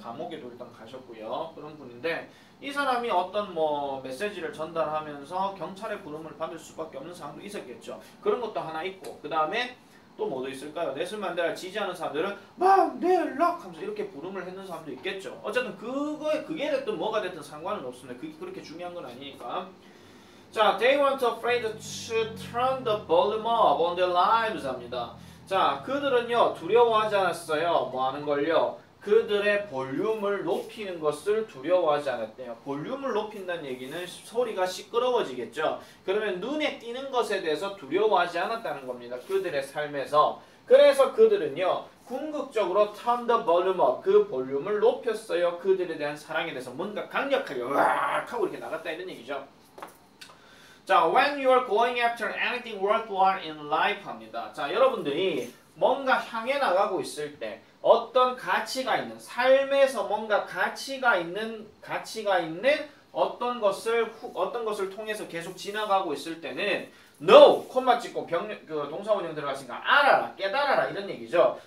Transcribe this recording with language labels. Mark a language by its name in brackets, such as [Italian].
[Korean] 감옥에도 일단 가셨고요. 그런 분인데 이 사람이 어떤 뭐 메시지를 전달하면서 경찰의 부름을 받을 수밖에 없는 상황도 있었겠죠. 그런 것도 하나 있고 그 다음에 또 뭐도 있을까요? 넬슨 만델라 지지하는 사람들은 만델라 하면서 이렇게 부름을 했는 사람도 있겠죠. 어쨌든 그게 됐든 뭐가 됐든 상관은 없습니다. 그렇게 중요한 건 아니니까. [English] 자, they weren't afraid to turn the volume up on their lives [Korean] 합니다. 자, 그들은요, 두려워하지 않았어요. 뭐 하는 걸요? 그들의 볼륨을 높이는 것을 두려워하지 않았대요. 볼륨을 높인다는 얘기는 소리가 시끄러워지겠죠. 그러면 눈에 띄는 것에 대해서 두려워하지 않았다는 겁니다. 그들의 삶에서. 그래서 그들은요, 궁극적으로 [English] turn the volume up, [Korean] 그 볼륨을 높였어요. 그들에 대한 사랑에 대해서 뭔가 강력하게 으악 하고 이렇게 나갔다 이런 얘기죠. [English] 자, when you are going after anything worthwhile in life [Korean] 합니다. 자, 여러분들이 뭔가 향해 나가고 있을 때, 어떤 가치가 있는, 삶에서 뭔가 가치가 있는 어떤 것을 통해서 계속 지나가고 있을 때는, know, 콤마 찍고 동사원형 들어가시니까, 알아라, 깨달아라, 이런 얘기죠.